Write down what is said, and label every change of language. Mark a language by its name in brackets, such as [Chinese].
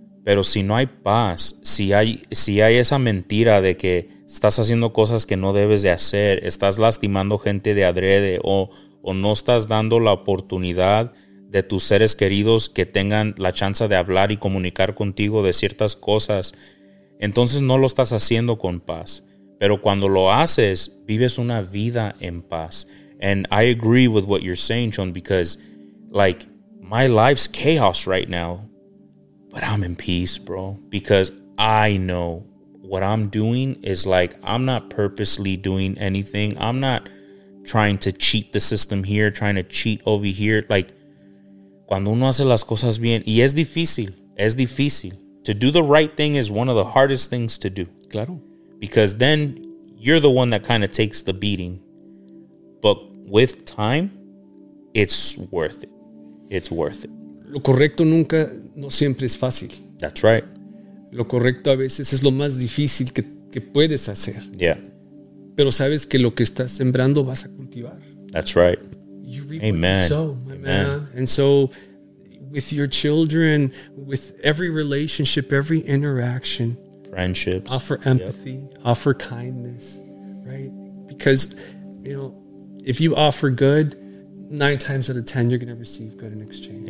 [Spanish] Pero si no hay paz, si hay esa mentira de que estás haciendo cosas que no debes de hacer, estás lastimando gente de adrede o no estás dando la oportunidad de tus seres queridos que tengan la chance de hablar y comunicar contigo de ciertas cosas, entonces no lo estás haciendo con paz. Pero cuando lo haces, vives una vida en paz. [English] And I agree with what you're saying, John, because like my life's chaos right now. But I'm in peace, bro, because I know what I'm doing is like I'm not purposely doing anything. I'm not trying to cheat the system here, trying to cheat over here. [Spanish] Like, cuando uno hace las cosas bien, y es difícil. [English] To do the right thing is one of the hardest things to do. [Spanish] Claro. [English] Because then you're the one that kind of takes the beating. But with time, it's worth it. It's worth it. [Spanish] Lo correcto nunca, no siempre es fácil. [English] That's right. [Spanish] Lo correcto a veces es lo más difícil que puedes hacer. [English] Yeah. [Spanish] Pero sabes que lo que estás sembrando vas a cultivar. [English] That's right. You reap what you sow, my man. And so, with your children, with every relationship, every interaction. Friendships. Offer empathy. Yep. Offer kindness. Right? Because, you know, if you offer good, 9 times out of 10, you're going to receive good in exchange.